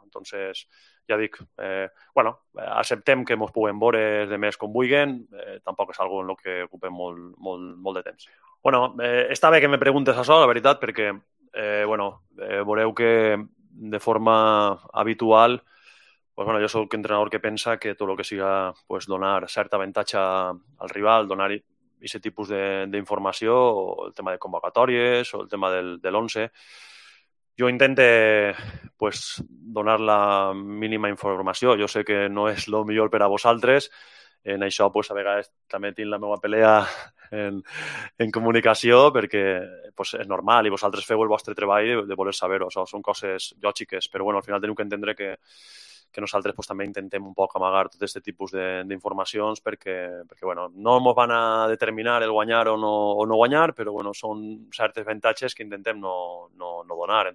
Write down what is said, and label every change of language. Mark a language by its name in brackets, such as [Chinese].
[Catalan] Entonces, ja dic, bueno, acceptem que mos puguem veure de més com vulguen, tampoc és algo en el que ocupem molt de temps. Bueno, està bé que me preguntes això, la veritat, perquè, bueno, veureu que de forma habitual [Spanish] Pues bueno, yo soy un entrenador que [Catalan] pensa [Spanish] que todo lo que siga, pues [Catalan] donar [Spanish] cierta ventaja al rival, donar ese tipo de información, o el tema de convocatorias, o el tema del once, yo intente pues donar la mínima información. Yo sé que no es lo mejor para vosotros, [Catalan] en això pues a vegades també tinc la meva pelea en comunicació, perquè pues és normal i vosaltres feu el vostre treball de voler saber-ho, o sigui, són coses lògiques, però bueno, al final teniu que entendre que nosaltres pues també intentem un poc amagar tot aquest tipus d'informacions perquè bueno, no ens van a determinar el guanyar o no guanyar, però bueno, són certes avantatges que intentem no donar.